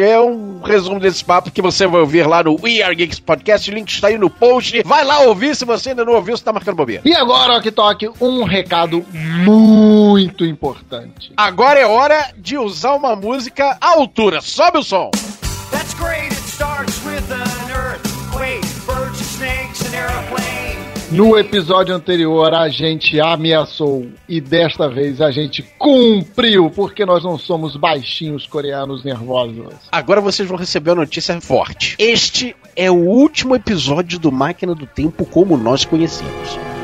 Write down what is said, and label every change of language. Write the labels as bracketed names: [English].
[Portuguese] É um resumo desse papo que você vai ouvir lá no We Are Geeks Podcast. O link está aí no post. Vai lá ouvir se você ainda não ouviu, você tá marcando bobeira. E agora, Okitok, um recado muito importante. Agora é hora de usar uma música à altura. Sobe o som. [English] That's great. It starts with an earthquake, birds and snakes and aeroplane. [Portuguese] No episódio anterior, a gente ameaçou e desta vez a gente cumpriu, porque nós não somos baixinhos coreanos nervosos. Agora vocês vão receber a notícia forte. Este é o último episódio do Máquina do Tempo como nós conhecemos.